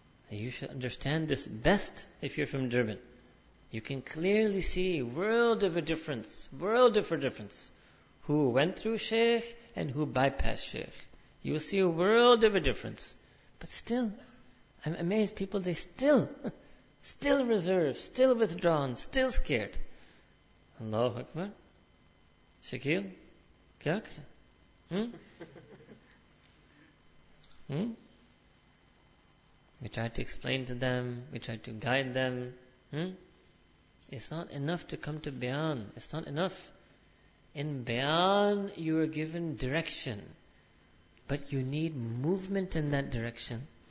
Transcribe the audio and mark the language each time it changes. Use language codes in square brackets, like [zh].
[en] You should understand this best if you're from Durban. You can clearly see world of a difference. Who went through Shaykh and who bypassed Shaykh. You will see a world of a difference. But still, I'm amazed people, they still reserved, still withdrawn, still scared. [ar] Allahu Akbar. [ur] Shakeel, کیا کرے؟ [en] We try to explain to them, we try to guide them. It's not enough to come to Bayan, it's not enough. In Bayan you are given direction, but you need movement in that direction.